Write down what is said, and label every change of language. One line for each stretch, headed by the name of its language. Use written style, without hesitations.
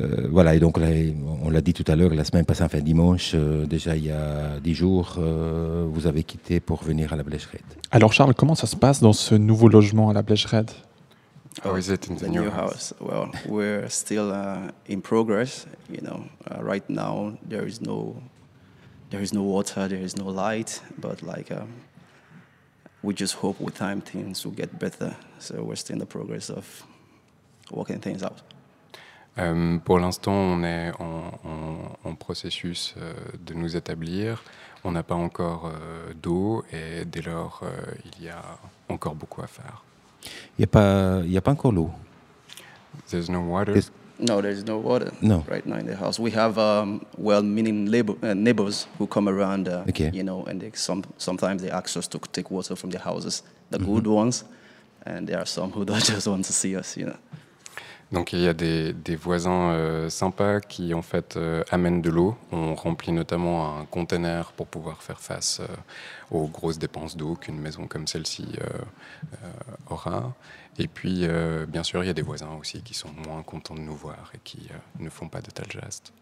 French: Voilà, et donc là, on l'a dit tout à l'heure, la semaine passée, enfin dimanche, déjà il y a 10 jours, vous avez quitté pour venir à la Blecherette. Alors Charles, comment ça se passe dans ce nouveau logement à la Blecherette?
English: Oh, is it in the new house? Well, we're still in progress, you know. Right now, there is no water, there is no light, but like we just hope with time things will get better. So we're still in the progress of working things out.
French: Pour l'instant, on est en processus de nous établir. On n'a pas encore d'eau et dès lors, il y a encore beaucoup à faire. Il n'y a pas encore l'eau.
English: There's no water. No, there's no water. No. Right now in the house, we have well-meaning neighbors who come around, okay. You know, and sometimes they ask us to take water from their houses, the mm-hmm. good ones, and there are some who don't just want to see us, you know.
French: Donc il y a des voisins sympas qui en fait amènent de l'eau. On remplit notamment un conteneur pour pouvoir faire face aux grosses dépenses d'eau qu'une maison comme celle-ci aura. Et puis bien sûr il y a des voisins aussi qui sont moins contents de nous voir et qui ne font pas de tels gestes.